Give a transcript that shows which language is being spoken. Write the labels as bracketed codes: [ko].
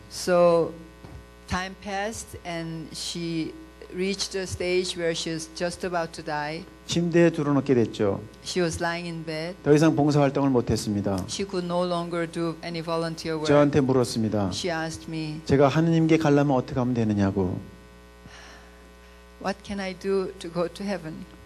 [en] So time passed and she reached a stage where she was just about to die. [ko] 침대에 누워놓게 됐죠. [en] She was lying in bed. [ko] 더 이상 봉사 활동을 못 했습니다. [en] She could no longer do any volunteer work. [ko] 저한테 물었습니다. [en] She asked me. [ko] 제가 하느님께 가려면 어떻게 하면 되느냐고. [en] What can I do to go to heaven?